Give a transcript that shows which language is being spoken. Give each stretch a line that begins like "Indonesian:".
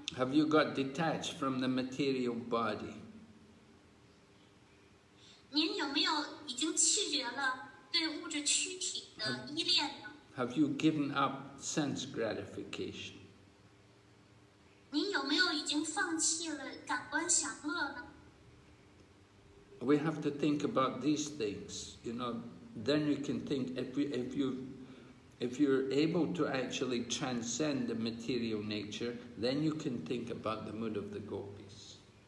English: Have you got detached from the material body?
Chinese: 您有没有已经弃绝了对物质躯体的依恋呢？
English: Have you given up sense gratification?
Chinese: 您有没有已经放弃了感官享乐呢？
English: We have to think about these things, you know. Then you can think if you're able to actually transcend the material nature, then you can think about the mood of the gopis.